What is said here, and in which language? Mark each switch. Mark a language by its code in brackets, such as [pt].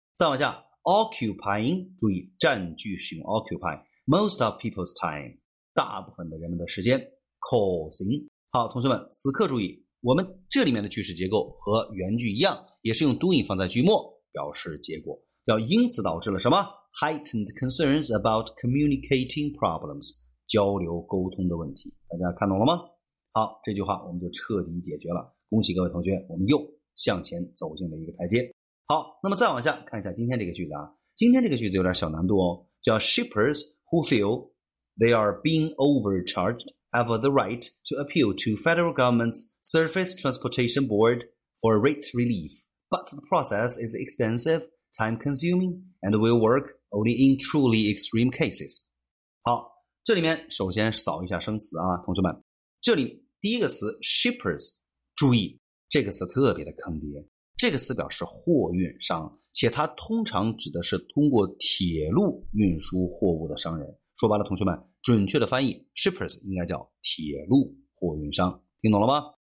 [zh] 再往下 occupying， 注意占据使用 [en] occupy most of people's time， [zh] 大部分的人们的时间 causing， 好，同学们此刻注意，我们这里面的句式结构和原句一样，也是用 doing 放在句末表示结果，叫因此导致了什么 [en] heightened concerns about communicating problems， [zh] 交流沟通的问题，大家看懂了吗？好，这句话我们就彻底解决了，恭喜各位同学，我们又向前走进了一个台阶。好，那么再往下看一下今天这个句子啊，今天这个句子有点小难度哦，叫 [en] shippers who feel they are being overcharged have the right to appeal to federal government's surface transportation board for rate relief， but the process is extensiveTime consuming and will work only in truly extreme cases。 [zh] 好，这里面首先扫一下生词啊，同学们，这里第一个词 shippers， 注意这个词特别的坑爹，这个词表示货运商，且它通常指的是通过铁路运输货物的商人，说白了同学们，准确的翻译 shippers 应该叫铁路货运商，听懂了吗？